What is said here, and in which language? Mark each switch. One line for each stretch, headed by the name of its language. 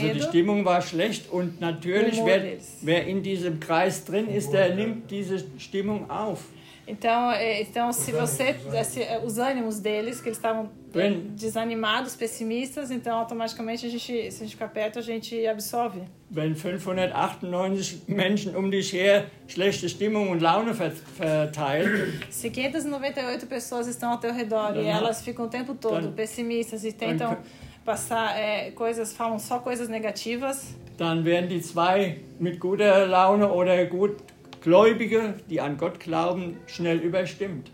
German: Also die Stimmung war schlecht und natürlich wer in diesem Kreis drin ist, der nimmt diese Stimmung auf.
Portuguese: Então, se você. Os ânimos deles, que eles estavam desanimados, pessimistas, então automaticamente se a gente ficar perto, a gente absorve.
German: Wenn 598 Menschen um dich her schlechte Stimmung und Laune verteilen.
Portuguese: Se 598 pessoas estão ao teu redor e elas ficam o tempo todo pessimistas e tentam passar coisas, falam só coisas negativas.
German: Dann werden die zwei mit guter Laune oder gut. Gläubige, die an Gott glauben, schnell überstimmt.